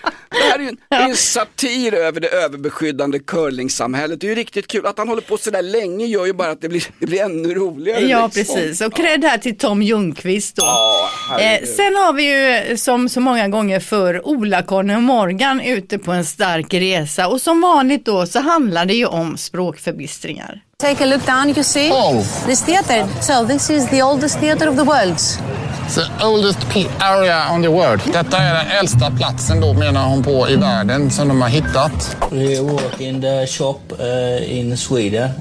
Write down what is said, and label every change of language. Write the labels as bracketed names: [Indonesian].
[Swedish] Det här är ju en satir över det överbeskyddande curlingsamhället. Det är ju riktigt kul att han håller på så där länge, gör ju bara att det blir ännu roligare. Ja, liksom. Precis. Och cred här till Tom Ljungqvist då. Sen har vi ju, som så många gånger för Ola-Conny och Morgan, ute på en stark resa. Och som vanligt då så handlar det ju om språkförbistringar. [English] Take a look down, you see? Oh. This theater. So this is the oldest theater of the world. The oldest area on the world. [Swedish] Detta är den äldsta platsen då, menar hon på, i världen som de har hittat. [English] We work in the shop in Sweden.